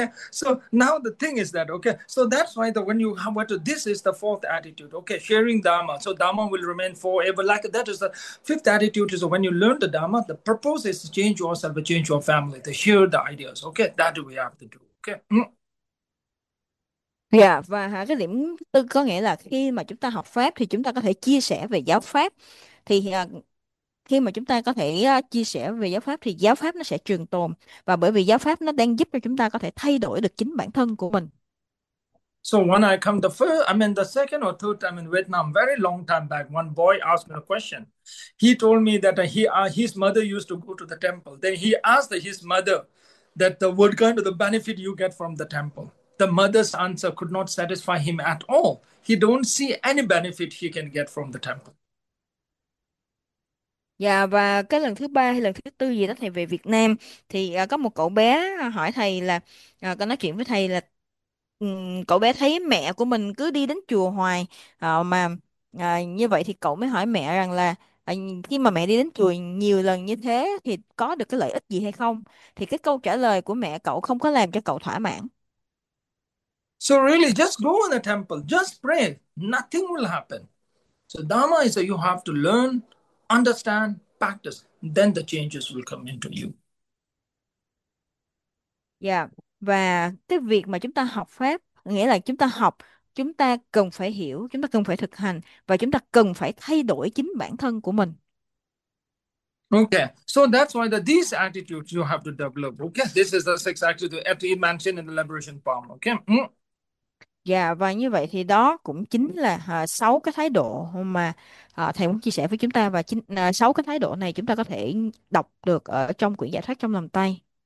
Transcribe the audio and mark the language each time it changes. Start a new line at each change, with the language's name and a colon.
English: So now the thing is that, okay, so that's why the when you have what this is the fourth attitude, okay, sharing Dharma. So Dharma will remain forever. Like that is the fifth attitude is when you learn the Dharma, the purpose is to change yourself, change your family, to share the ideas, okay, that we have to do, okay.
Vietnamese: Và cái điểm tư có nghĩa là khi mà chúng ta học pháp thì chúng ta có thể chia sẻ về giáo pháp, thì khi mà chúng ta có thể chia sẻ về giáo pháp thì giáo pháp nó sẽ trường tồn, và bởi vì giáo pháp nó đang giúp cho chúng ta có thể thay đổi được chính bản thân của mình.
English: So when I come the first, I mean the second or third time in Vietnam, very long time back, one boy asked me a question. He told me that his mother used to go to the temple. Then he asked his mother that the what kind of the benefit you get from the temple. The mother's answer could not satisfy him at all. He don't see any benefit he can get from the temple.
Vietnamese: Và cái lần thứ ba hay lần thứ tư gì đó thầy về Việt Nam thì có một cậu bé hỏi thầy là có nói chuyện với thầy là cậu bé thấy mẹ của mình cứ đi đến chùa hoài, mà như vậy thì cậu mới hỏi mẹ rằng là khi mà mẹ đi đến chùa nhiều lần như thế thì có được cái lợi ích gì hay không, thì cái câu trả lời của mẹ cậu không có làm cho cậu thỏa mãn.
English: So really, just go in the temple, just pray, nothing will happen. So Dharma is that you have to learn, understand, practice, then the changes will come into you.
Vietnamese: Và cái việc mà chúng ta học pháp nghĩa là chúng ta học, chúng ta cần phải hiểu, chúng ta cần phải thực hành, và chúng ta cần phải thay đổi chính bản thân của mình.
English: Okay, so that's why that these attitudes you have to develop. Okay, this is the six attitudes that you mentioned in the liberation palm. Okay.
Vietnamese: Và như vậy thì đó cũng chính là sáu cái thái độ mà thầy muốn chia sẻ với chúng ta, và chính sáu cái thái độ này chúng ta có thể đọc được ở trong quyển Giải Thoát Trong Lòng Tay.